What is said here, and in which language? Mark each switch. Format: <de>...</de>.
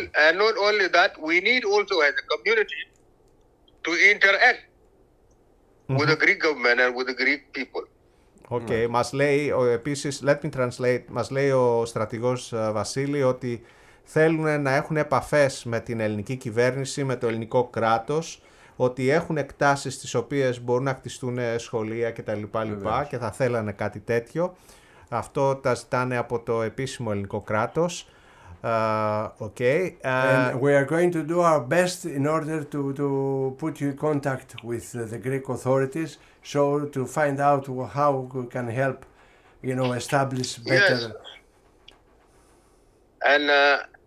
<en>And not only that, we need also as a community to interact with the Greek government and with the Greek people.</en> <el>Okay, μας λέει επίσης,</el> <en>let me translate,</en> <el>μας λέει ο στρατηγός Βασίλη ότι θέλουν να έχουν επαφές με την ελληνική κυβέρνηση, με το ελληνικό κράτος, ότι έχουν εκτάσεις στις οποίες μπορούν να χτιστούν σχολεία κτλ. Και θα θέλανε κάτι τέτοιο. Αυτό τα ζητάνε από το επίσημο ελληνικό κράτος.</el> <en>And we are going to do our best in order to put you in contact with the Greek authorities, so to find out how we can help, you know, establish better. Yes.</en>